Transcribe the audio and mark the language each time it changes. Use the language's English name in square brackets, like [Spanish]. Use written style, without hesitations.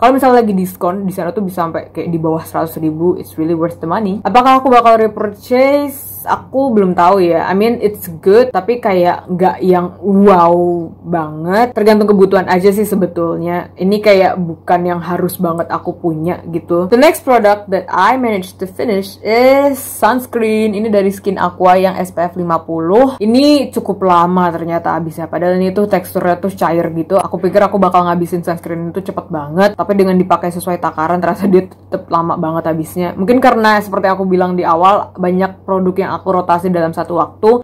[Indonesian] Kalau misalnya lagi diskon di sana tuh bisa sampai kayak di bawah 100.000, [English] it's really worth the money. [Indonesian] Apakah aku bakal repurchase? Aku belum tahu ya. [English] I mean it's good, [Indonesian] tapi kayak nggak yang wow banget. Tergantung kebutuhan aja sih sebetulnya. Ini kayak bukan yang harus banget aku punya gitu. [English] The next product that I managed to finish is sunscreen. [Indonesian] Ini dari Skin Aqua yang SPF 50. Ini cukup lama ternyata habisnya. Padahal ini tuh teksturnya tuh cair gitu. Aku pikir aku bakal ngabisin sunscreen itu cepet banget, tapi dengan dipakai sesuai takaran terasa dia tetep lama banget habisnya. Mungkin karena seperti aku bilang di awal, banyak produk yang aku rotasi dalam satu waktu.